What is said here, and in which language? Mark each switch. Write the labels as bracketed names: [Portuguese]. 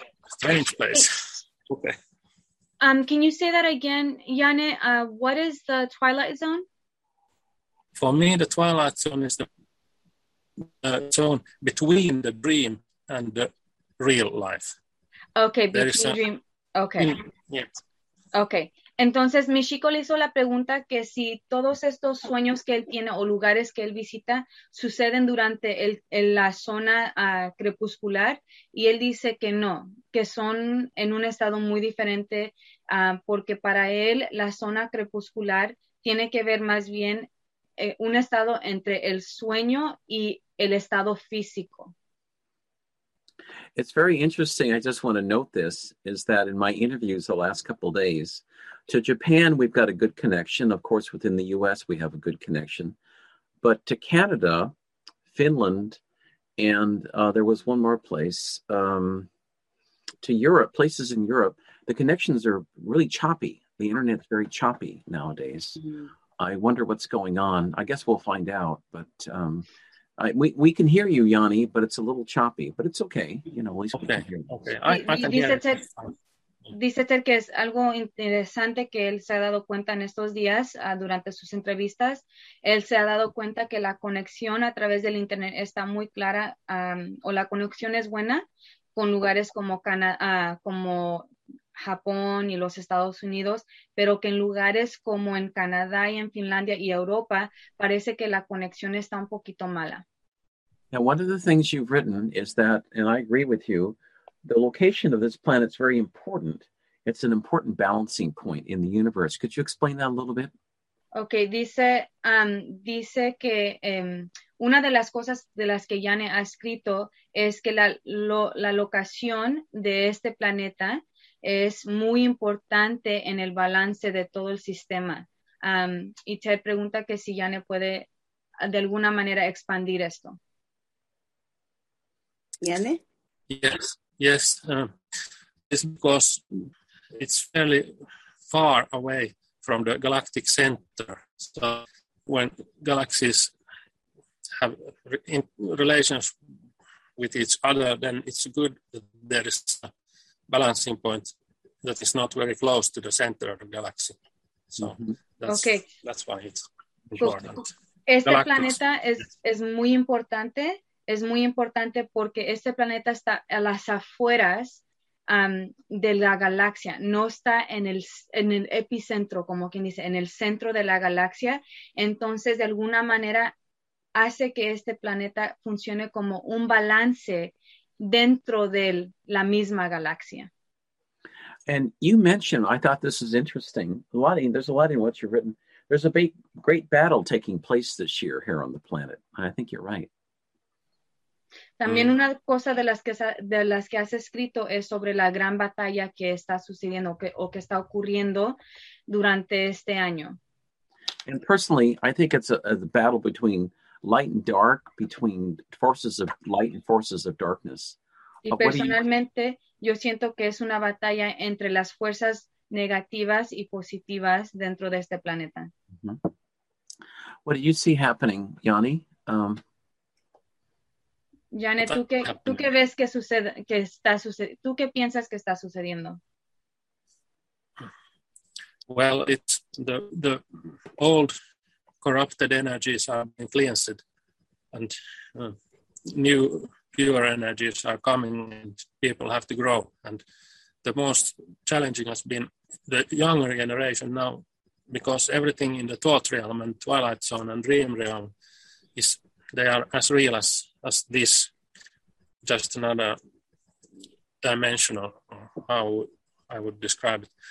[English] A strange place. Okay. Can you say that again, Janne? What is the twilight zone? For me, the twilight zone is the zone between the dream and the real life. Okay, between dream. Okay. Yeah. Okay. [Spanish] Entonces, Michiko le hizo la pregunta que si todos estos sueños que él tiene o lugares que él visita suceden durante la zona crepuscular, y él dice que no, que son en un estado muy diferente, porque para él la zona crepuscular tiene que ver más bien un estado entre el sueño y el estado físico. [English] It's very interesting. I just want to note this, is that in my interviews the last couple of days, to Japan, we've got a good connection. Of course, within the U.S., we have a good connection. But to Canada, Finland, and there was one more place, to Europe, places in Europe, the connections are really choppy. The internet's very choppy nowadays. Mm-hmm. I wonder what's going on. I guess we'll find out. But We can hear you, Yanni, but it's a little choppy, but it's okay. You know, at least okay. We can hear you. Okay. [Spanish] Dice Ter que es algo interesante que él se ha dado cuenta en estos días durante sus entrevistas. Él se ha dado cuenta que la conexión a través del internet está muy clara o la conexión es buena con lugares como como Japón y los Estados Unidos, pero que en lugares como en Canadá y en Finlandia y Europa parece que la conexión está un poquito mala. [English] Now, one of the things you've written is that, and I agree with you, the location of this planet is very important. It's an important balancing point in the universe. Could you explain that a little bit? [Spanish] Okay, dice que una de las cosas de las que Janne ha escrito es que la locación de este planeta es muy importante en el balance de todo el sistema. Y Ted pregunta que si Janne puede de alguna manera expandir esto. [English] Janne? Yes. Yes, it's because it's fairly far away from the galactic center. So when galaxies have relations with each other, then it's good that there is a balancing point that is not very close to the center of the galaxy. So that's why it's important. [Spanish] Este Galactus. Planeta es muy importante. Es muy importante porque este planeta está a las afueras de la galaxia, no está en el epicentro, como quien dice, en el centro de la galaxia. Entonces, de alguna manera, hace que este planeta funcione como un balance dentro de la misma galaxia. [English] And you mentioned, I thought this is interesting, there's a lot in what you've written. There's a big, great battle taking place this year here on the planet. And I think you're right. [Spanish] También una cosa de las que has escrito es sobre la gran batalla que está sucediendo que está ocurriendo durante este año. [English] And personally, I think it's a battle between light and dark, between forces of light and forces of darkness. [Spanish] Y personalmente, yo siento que es una batalla entre las fuerzas negativas y positivas dentro de este planeta. [English] Mm-hmm. What do you see happening, Yanni? [Spanish] Janne, ¿tú qué ves que sucede, que está sucediendo? ¿Tú qué piensas que está sucediendo? [English] Well, it's the old corrupted energies are being cleansed and new pure energies are coming and people have to grow. And the most challenging has been the younger generation now because everything in the thought realm and twilight zone and dream realm is they are as real as this, just another dimensional, how I would describe it.